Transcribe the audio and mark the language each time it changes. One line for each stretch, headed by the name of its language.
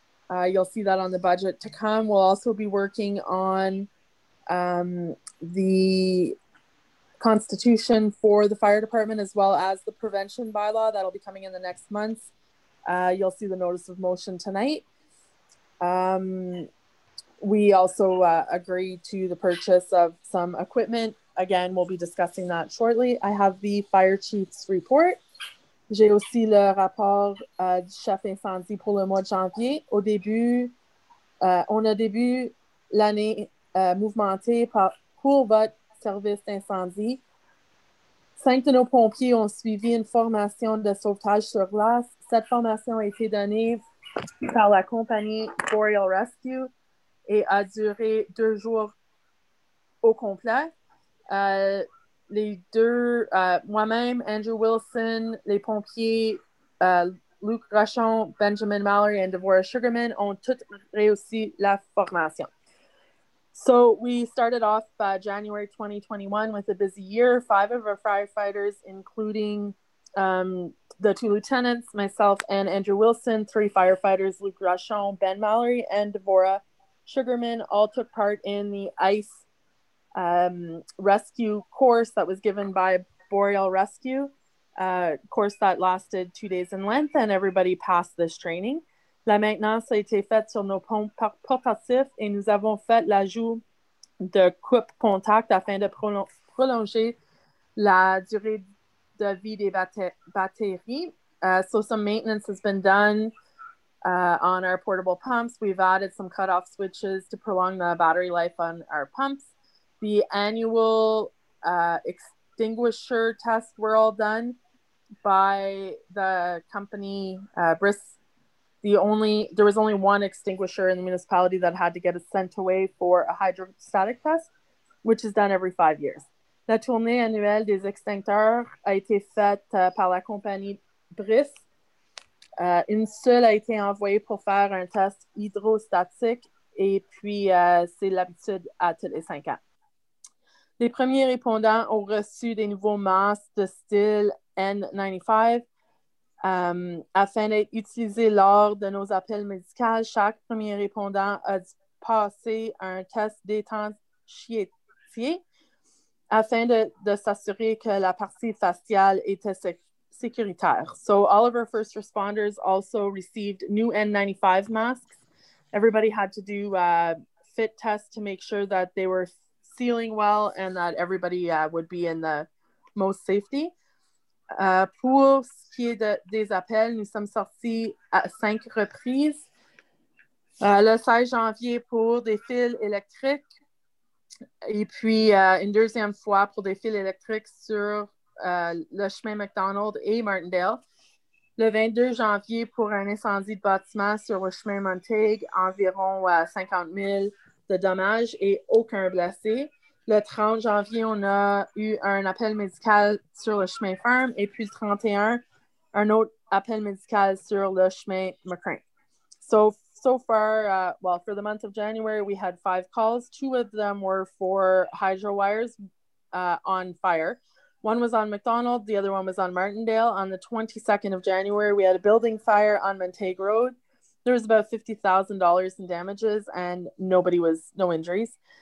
English: You'll see that on the budget to come. We'll also be working on the constitution for the fire department as well as the prevention bylaw. That'll be coming in the next month. You'll see the notice of motion tonight. We also agreed to the purchase of some equipment. Again, we'll be discussing that shortly. I have the fire chief's report.
French: J'ai aussi le rapport du chef incendie pour le mois de janvier. Au début, on a début l'année mouvementée pour votre service d'incendie. 5 de nos pompiers ont suivi une formation de sauvetage sur glace. Cette formation a été donnée par la compagnie Boreal Rescue et a duré 2 jours au complet. Moi-même, Andrew Wilson, les pompiers, Luke Rochon, Benjamin Mallory et Devorah Sugarman ont toutes réussi la formation.
English: So we started off January 2021 with a busy year. 5 of our firefighters, including the 2 lieutenants, myself and Andrew Wilson, 3 firefighters, Luke Rochon, Ben Mallory and Devorah Sugarman, all took part in the ICE rescue course that was given by Boreal Rescue, course that lasted 2 days in length, and everybody passed this training.
French: La maintenance a été faite sur nos pompes portatifs et nous avons fait l'ajout de coupe contact afin de prolonger la durée de vie des batteries.
English: So some maintenance has been done on our portable pumps. We've added some cutoff switches to prolong the battery life on our pumps. The annual extinguisher tests were all done by the company Brisk. There was only 1 extinguisher in the municipality that had to get it sent away for a hydrostatic test, which is done every 5 years.
French: La tournée annuelle des extincteurs a été faite par la compagnie Brisk. Une seule a été envoyée pour faire un test hydrostatique et puis c'est l'habitude à tous les 5 ans. Les premiers répondants ont reçu des nouveaux masques de style N95 afin d'être utilisés lors de nos appels médicaux. Chaque premier répondant a dû passer un test d'étanchéité afin de s'assurer que la partie faciale était sécuritaire. So all of our first responders also received new N95 masks. Everybody had to do a fit test to make sure that they were sealing well and that everybody would be in the most safety. Pour ce qui est des appels, nous sommes sortis à 5 reprises. Le 16 janvier pour des fils électriques et puis une deuxième fois pour des fils électriques sur le chemin McDonald et Martindale. Le 22 janvier pour un incendie de bâtiment sur le chemin Montague, environ 50 000 de dommages et aucun blessé. Le 30 janvier, on a eu un appel médical sur le chemin Ferme et puis le 31, un autre appel médical sur le chemin McCrain.
English: So far, for the month of January, we had 5 calls. 2 of them were for hydro wires on fire. 1 was on McDonald, the other one was on Martindale. On the 22nd of January, we had a building fire on Montague Road. There was about $50,000 in damages and no injuries.